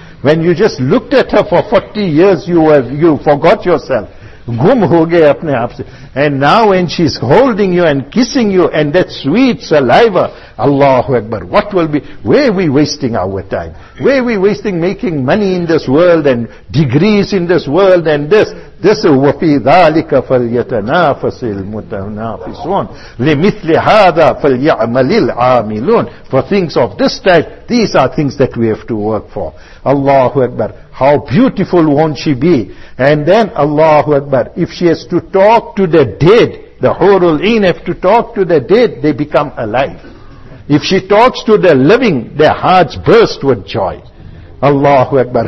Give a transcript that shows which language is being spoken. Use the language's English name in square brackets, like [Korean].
[English] When you just looked at her for 40 years, you forgot yourself. [Urdu] Gum ho gaye apne aap se. [English] And now when she's holding you and kissing you, and that sweet saliva, Allahu Akbar, what will be, where are we wasting our time? Where are we wasting making money in this world, and degrees in this world, and this? This is [Arabic] وَفِي ذَلِكَ فَلْيَتَنَافَسِ الْمُتَنَافِسُونَ لِمِثْلِ هَذَا فَلْيَعْمَلِ الْعَامِلُونَ. [English] For things of this type, these are things that we have to work for. Allahu Akbar. How beautiful won't she be? And then Allahu Akbar. If she has to talk to the dead, the Hurul Een have to talk to the dead, they become alive. If she talks to the living, their hearts burst with joy. Allahu Akbar.